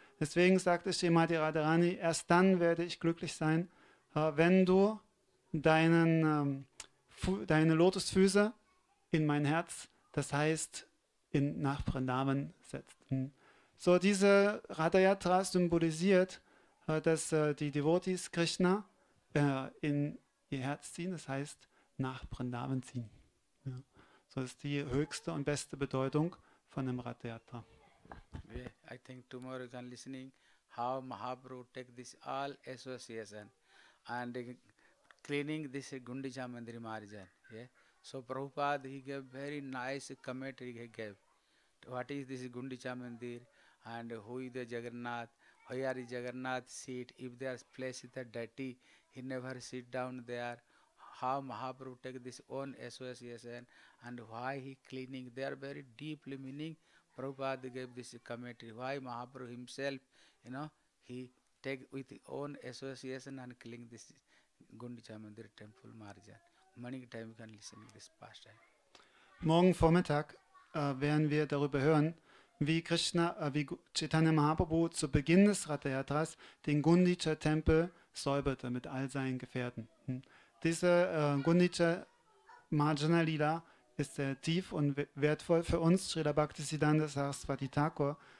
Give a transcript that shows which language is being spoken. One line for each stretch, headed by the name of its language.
German: Deswegen sagte Srimati Radharani, erst dann werde ich glücklich sein, wenn du deine Lotusfüße in mein Herz, das heißt nach Vrindavan setzt. So diese Radha Yatra symbolisiert, dass die Devotees Krishna in ihr Herz ziehen, das heißt nach Vrindavan ziehen. Ja. So ist die höchste und beste Bedeutung von dem Radha Yatra.
English: Yeah, I think tomorrow you can listening how Mahaprabhu take this all association and cleaning this Gundicha Mandir Marjan. Yeah? So Prabhupada he gave very nice commentary he gave. What is this Gundicha Mandir and who is the Jagannath, why are the Jagannath seat, if they are placed the dirty, he never sit down there. How Mahaprabhu take this own association and why he cleaning, they are very deeply meaning. Prabhupada gave this commentary, why Mahaprabhu himself, he take with own association and cleaning this Gundicha Mandir temple margin. Morning time you can listen to this pastime.
German: Morgen Vormittag werden wir darüber hören, wie Krishna, wie Chaitanya Mahaprabhu zu Beginn des Radha Yatras den Gundicha Tempel säuberte mit all seinen Gefährten. Diese Gundicha Marjana Lila ist sehr tief und wertvoll für uns. Srila Bhaktisiddhanta Sarasvati Thakur